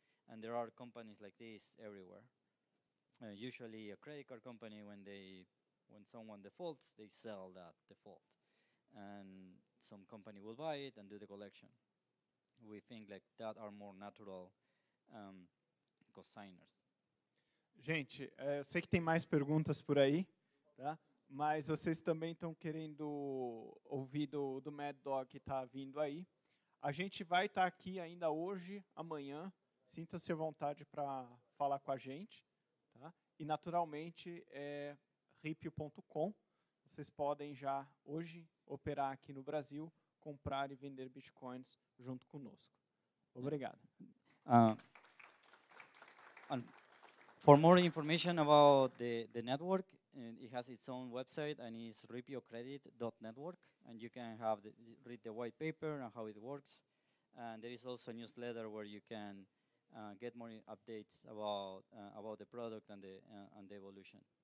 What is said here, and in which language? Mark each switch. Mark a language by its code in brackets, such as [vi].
[en] And there are companies like this everywhere. Usually a credit card company, when someone defaults, they sell that default. And some company will buy it and do the collection. We think like that are more natural cosigners. [pt] Gente, eu sei que tem mais perguntas por aí, tá? Mas vocês também estão querendo ouvir do Mad Dog que está vindo aí. A gente vai estar aqui ainda hoje, amanhã. Sinta-se à vontade para falar com a gente, tá? E naturalmente é ripio.com. Vocês podem já hoje operar aqui no Brasil, comprar e vender bitcoins junto conosco. Obrigado. [en] And for more information about the network, it has its own website and it's ripiocredit.network, and you can have read the white paper and how it works. And there is also a newsletter where you can get more updates about the product and the evolution.